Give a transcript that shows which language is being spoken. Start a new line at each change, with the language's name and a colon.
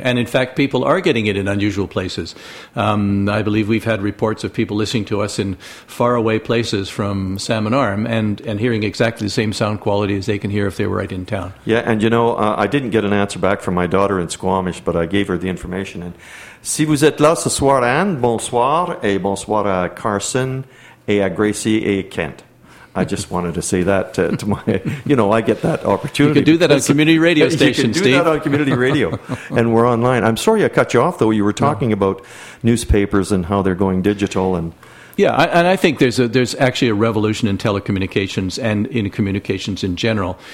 English: And in fact, people are getting it in unusual places. I believe we've had reports of people listening to us in faraway places from Salmon Arm and hearing exactly the same sound quality as they can hear if they were right in town. Yeah, and you know, I didn't get an answer back from my daughter in Squamish, but I gave her the information. And
French: si vous êtes là ce soir, Anne, bonsoir, et bonsoir à Carson, et à Gracie, et Kent.
English: I just wanted to say that to my, you know, I get that opportunity. You can do that on community radio station, Steve. You can do Steve. That on community radio, and we're online. I'm sorry I cut you off, though. You were talking about newspapers and how they're going digital and Yeah, and I think there's actually a revolution in telecommunications and in communications in general.